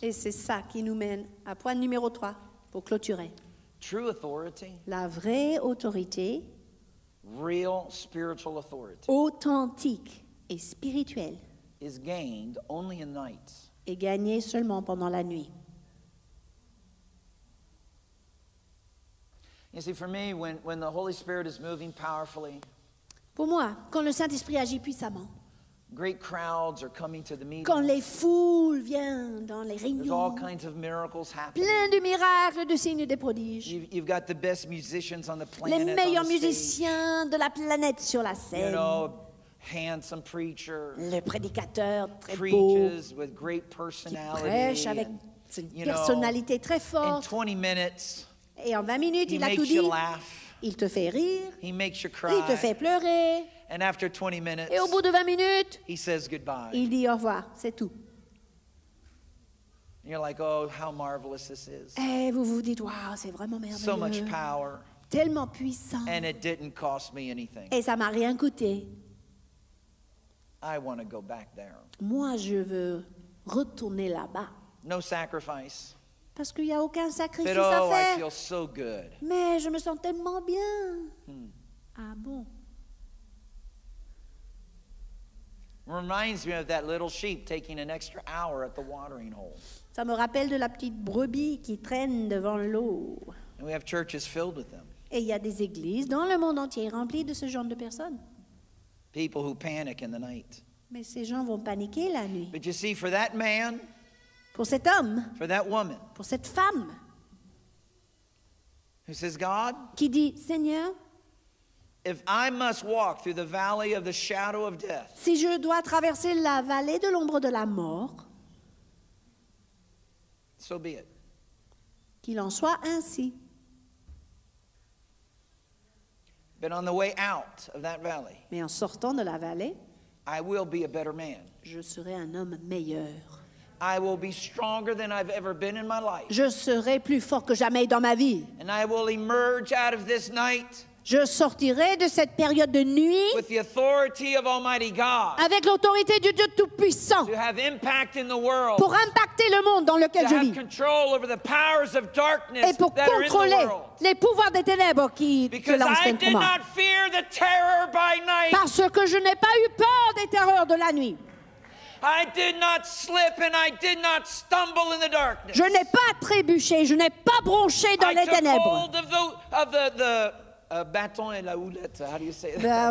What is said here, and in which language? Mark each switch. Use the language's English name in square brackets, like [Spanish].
[French] Et c'est ça qui nous mène à point numéro 3 pour clôturer. [English] True authority. [French] La vraie autorité. [English] Real spiritual authority. [French] Authentique et spirituelle. [English] Is gained only in nights. [French] Est gagnée seulement pendant la nuit. [English] You see, for me, when the Holy Spirit is moving powerfully. [French] Pour moi, quand le Saint-Esprit agit puissamment. [English] Great crowds are coming to the meeting. [French] Quand les foules viennent dans les réunions. [English] There's all kinds of miracles happening. [French] Plein de miracles, de signes, de prodiges. [English] You've got the best musicians on the planet. [French] Les meilleurs musiciens de la planète sur la scène. [English] You know, handsome preacher. [French] Le prédicateur très beau. [English] Preaches with great personality. [French] Qui prêche avec une personnalité très forte. [English] In 20 minutes. [French] Et en 20 minutes, il a tout dit. Il te fait rire. [English] He makes you cry. [French] Il te fait pleurer. [English] And after 20 minutes, [French] et au bout de 20 minutes, [English] he says goodbye. [French] Il dit au revoir, c'est tout. [English] And you're like, oh, how marvelous this is. [French] Et vous vous dites, wow, c'est vraiment merveilleux. [English] So much power. [French] Tellement puissant. [English] And it didn't cost me anything. [French] Et ça m'a rien coûté. [English] I want to go back there. [French] Moi, je veux retourner là-bas. [English] No sacrifice. [French] Parce qu'il n'y a aucun sacrifice [English] But, oh, [French] à faire. [English] I feel so good. [French] Mais je me sens tellement bien. Hmm. Ah bon? [English] Reminds me of that little sheep taking an extra hour at the watering hole. [French] Ça me rappelle de la petite brebis qui traîne devant l'eau. [English] And we have churches filled with them. [French] Et il y a des églises dans le monde entier remplies de ce genre de personnes. [English] People who panic in the night. [French] Mais ces gens vont paniquer la nuit. [English] But you see, for that man, [French] pour cet homme, [English] for that woman, [French] pour cette femme, [English] who says God, [French] qui dit Seigneur. [English] If I must walk through the valley of the shadow of death, [French] si je dois traverser la vallée de l'ombre de la mort, [English] so be it. [French] Qu'il en soit ainsi. [English] But on the way out of that valley, [French] mais en sortant de la vallée, [English] I will be a better man. [French] Je serai un homme meilleur. [English] I will be stronger than I've ever been in my life. [French] Je serai plus fort que jamais dans ma vie. [English] And I will emerge out of this night. [French] Je sortirai de cette période de nuit avec l'autorité du Dieu Tout-Puissant [English] to have impact in the world, [French] pour impacter le monde dans lequel [English] to [French] je [English] have [French] vis [English] control over the powers of darkness [French] et pour [English] that [French] contrôler [English] are in the world. [French] Les pouvoirs des ténèbres qui [English] Because [French] se lancent [English] I did not fear the terror by night. [French] Parce que je n'ai pas eu peur des terreurs de la nuit. [English] I did not slip and I did not stumble in the darkness. [French] Je n'ai pas trébuché, je n'ai pas bronché dans [English] I [French] les ténèbres. [English] I took hold of the [French] bâton et la houlette, [English] how do you say that?